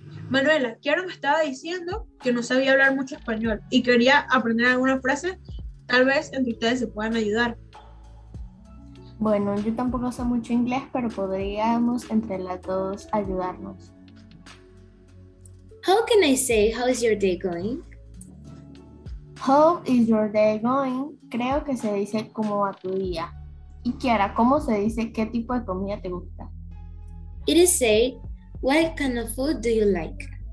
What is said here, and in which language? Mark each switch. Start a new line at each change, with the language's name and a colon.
Spanish: Manuela, Kiara me estaba diciendo que no sabía hablar mucho español y quería aprender alguna frase, tal vez entre ustedes se puedan ayudar. Bueno, yo tampoco sé mucho inglés, pero podríamos entre las dos ayudarnos.
English: How can I say how is your day going? How is your day going?
Spanish: Creo que se dice cómo va tu día. Y Kiara, ¿cómo se dice qué tipo de comida te gusta?
English: It is say, what kind of food do you like?